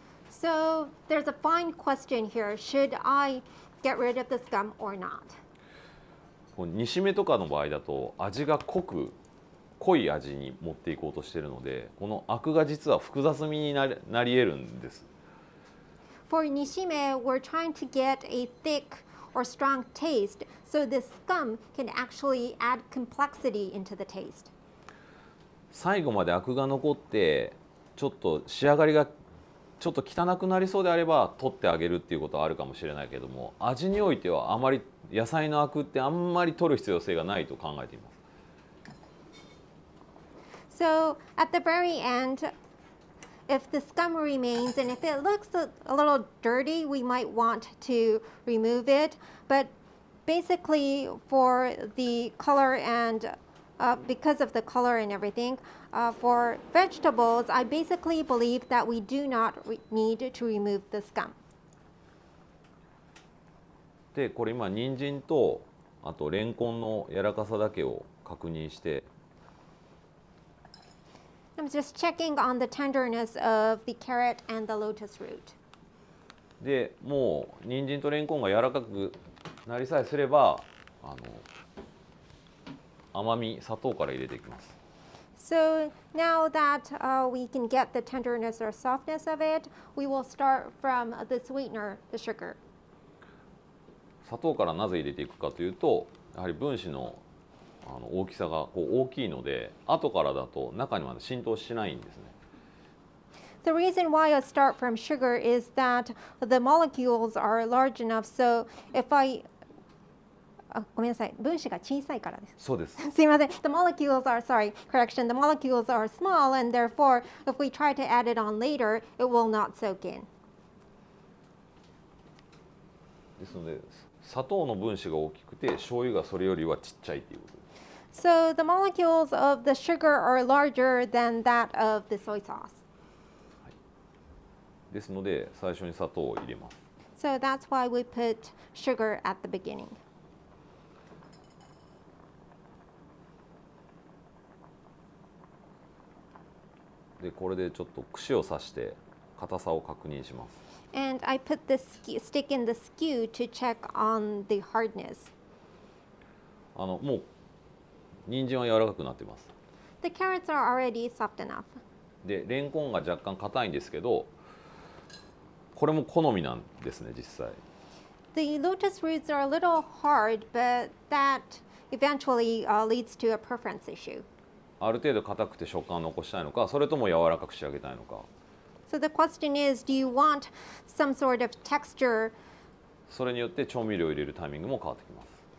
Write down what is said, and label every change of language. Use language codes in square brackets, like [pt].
[en] So there's a fine question here. Should I? Get rid of the scum or not. [ja] 煮しめとかの場合だと味が濃い味に持っていこうとしているので、このアクが実は複雑味になり得るんです。 [en] For 煮しめ we're trying to get a thick or strong taste, so the scum can actually add complexity into the taste. [ja] 最後までアクが残ってちょっと仕上がりがちょっと汚くなりそうであれば取ってあげるっていうことはあるかもしれないけども、味においてはあまり野菜のアクってあんまり取る必要性がないと考えています。 [en] So at the very end if the scum remains and if it looks a little dirty, we might want to remove it. But basically, for the color and because of the color and everything, for vegetables, I basically believe that we do not need to remove the scum. [ja] で、これ今人参とあとレンコンの柔らかさだけを確認して。 [en] I'm just checking on the tenderness of the carrot and the lotus root. [ja] で、もう人参とレンコンが柔らかくなりさえすれば、あの甘み、砂糖から入れていきます。 [en] So now that we can get the tenderness or softness of it, we will start from the sweetener, the sugar. [ja] 砂糖からなぜ入れていくかというと、やはり分子の大きさがこう大きいので、後からだと中にまで浸透しないんですね。 [en] The reason why I start from sugar is that the molecules are large enough. So if I [ja] ごめんなさい、分子が小さいからです。そうです。すいません。 [en] The molecules are sorry, correction. The molecules are small, and therefore, if we try to add it on later, it will not soak in. [ja] ですので、砂糖の分子が大きくて、醤油がそれよりはちっちゃいということです。 [en] So the molecules of the sugar are larger than that of the soy sauce. [ja] はい。ですので、最初に砂糖を入れます。 [en] So that's why we put sugar at the beginning. [ja] でこれでちょっと串を刺して硬さを確認します。 [en] And I put the stick in the skew to check on the hardness. [ja] もう人参は柔らかくなっています。 [en] The carrots are already soft enough. [ja] でレンコンが若干硬いんですけど、これも好みなんですね実際。 [en] The lotus roots are a little hard, but that eventually leads to a preference issue. [ja] ある程度硬くて食感を残したいのか、それとも柔らかく仕上げたいのか。 [en] So the question is, do you want some sort of texture? [ja] それによって調味料を入れるタイミングも変わってきます。